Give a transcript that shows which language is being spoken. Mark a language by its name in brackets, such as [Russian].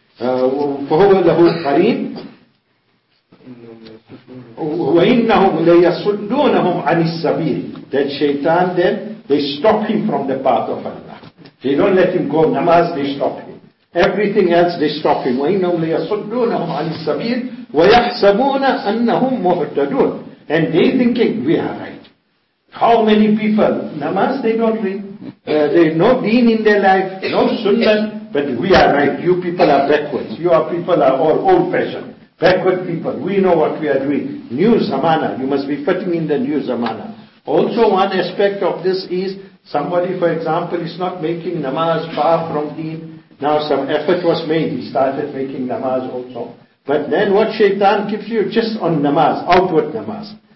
[Arabic] فَهُوَ لَهُ الْقَرِينُ وَإِنَّهُمْ لَيَصُدُّونَهُمْ عَنِ السَّبِيلِ, [English] that shaitan then, they stop him from the path of Allah, they don't let him go, namaz they stop him, everything else they stop him. [Arabic] وَإِنَّهُمْ لَيَصُدُّونَهُمْ عَنِ السَّبِيلِ وَيَحْسَبُونَ أَنَّهُمْ مُهْتَدُونَ, [English] and they thinking we are right. How many people, namaz they don't read, they no deen in their life, no sunnah, but we are right, you people are backwards, you are people are all old fashioned, backward people, we know what we are doing, new zamana, you must be fitting in the new zamana. Also one aspect of this is, somebody for example is not making namaz far from deen, now some effort was made, he started making namaz also, but then what shaitan keeps you just on namaz, outward namaz.